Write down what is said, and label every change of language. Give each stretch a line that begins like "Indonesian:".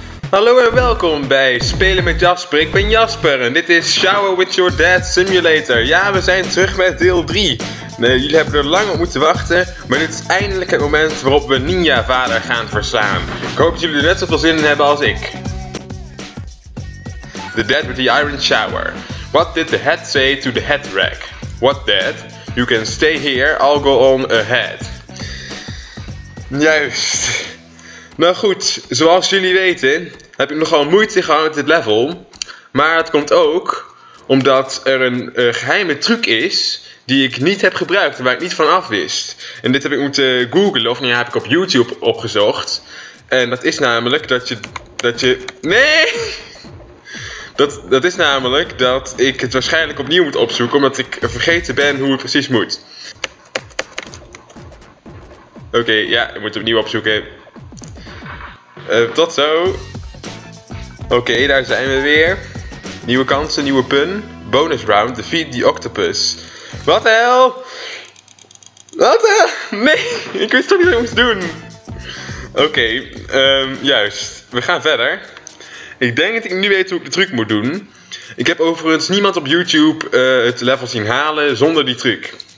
Dutch: Hallo en welkom bij Spelen met Jasper. Ik ben Jasper en dit is Shower With Your Dad Simulator. Ja, we zijn terug met deel 3. Nee, jullie hebben er lang op moeten wachten, maar dit is eindelijk het moment waarop we Ninja Vader gaan verslaan. Ik hoop dat jullie er net zoveel zin in hebben als ik.
English: The Dad with the Iron Shower. What did the head say to the head rack? What, Dad? You can stay here, I'll go on ahead.
Dutch: Juist. Nou goed, zoals jullie weten heb ik nogal moeite gehad met dit level. Maar het komt ook omdat er een geheime truc is die ik niet heb gebruikt en waar ik niet van af wist. En dit heb ik moeten googlen, of nee, heb ik op YouTube opgezocht. En dat is namelijk dat je... Nee! Dat is namelijk dat ik het waarschijnlijk opnieuw moet opzoeken omdat ik vergeten ben hoe het precies moet. Oké, ja, ik moet het opnieuw opzoeken. Tot zo. Oké, daar zijn we weer. Nieuwe kansen, nieuwe pun.
English: Bonus round, defeat the octopus.
Dutch: Wat de hel? Nee, ik wist toch niet wat ik moest doen. Oké, juist. We gaan verder. Ik denk dat ik nu weet hoe ik de truc moet doen. Ik heb overigens niemand op YouTube het level zien halen zonder die truc.